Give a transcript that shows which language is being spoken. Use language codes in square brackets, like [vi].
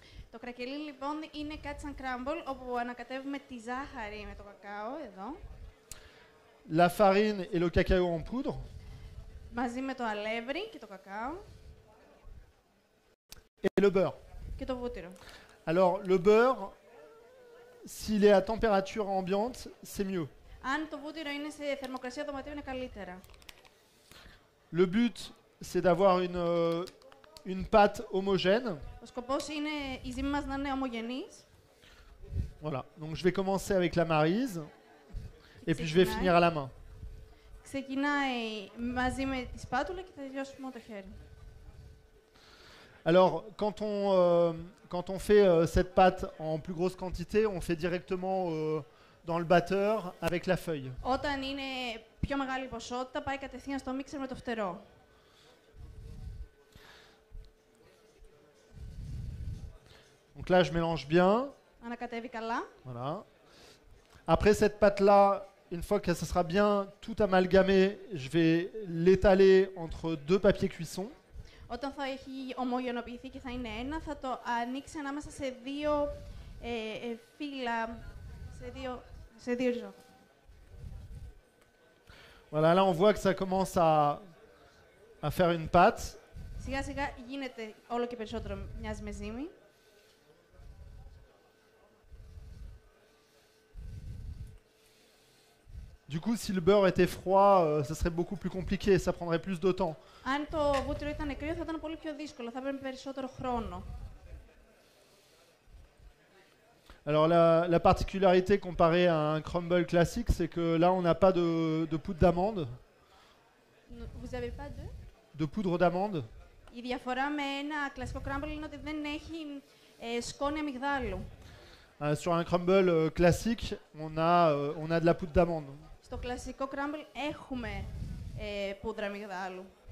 [el] Το κρακελίν λοιπόν είναι κάτι σαν crumble όπου ανακατεύουμε τη ζάχαρη με το κακάο εδώ. [fr] La farine et le cacao en poudre. [el] Μαζί με το αλεύρι και το κακάο. [fr] Et le beurre. [el] Και το βούτυρο. [fr] Alors le beurre, s'il est à température ambiante, c'est mieux. [el] Αν το βούτυρο είναι σε θερμοκρασία δωματίου είναι καλύτερα. [fr] Le but c'est d'avoir une pâte homogène. [el] Ο σκοπός είναι η ζύμη μας να είναι ομογενής. [fr] Voilà. Donc je vais commencer avec la Maryse et [el] ξεκινάει. [fr] Puis je vais finir à la main. [el] Ξεκινάει μαζί με τη σπάτουλα και θα τελειώσουμε με το χέρι. [fr] Alors, quand on fait cette pâte en plus grosse quantité, on fait directement dans le batteur avec la feuille. [el] Όταν είναι πιο μεγάλη ποσότητα, πάει κατευθείαν στο μίξερ με το φτερό. [fr] Donc là, je mélange bien. [el] Ανακατεύει καλά. [fr] Voilà. Après cette pâte-là, une fois que ça sera bien tout amalgamé, je vais l'étaler entre deux papiers cuisson. [el] Όταν θα έχει ομογενοποιηθεί και θα είναι ένα, θα το ανοίξει ανάμεσα σε δύο φύλλα, σε δύο ζώα. [fr] Voilà, là on voit que ça commence à faire une pâte. [el] Σιγά σιγά γίνεται όλο και περισσότερο μοιάζει με ζύμη. [fr] Du coup, si le beurre était froid, ça serait beaucoup plus compliqué, ça prendrait plus de temps. [el] Αν το βούτυρο ήταν κρύο, θα ήταν πολύ πιο δύσκολο, θα έπρεπε περισσότερο χρόνο. [fr] Alors la particularité comparée à un crumble classique, c'est que là on n'a pas de poudre d'amande. Vous avez pas de? De poudre d'amande. [el] Η διαφορά με ένα κλασικό crumble είναι ότι δεν έχει σκόνη αμυγδάλου. [fr] Sur un crumble classique, on a de la poudre d'amande. [el] Στο κλασικό crumble έχουμε πούδρα αμυγδάλου.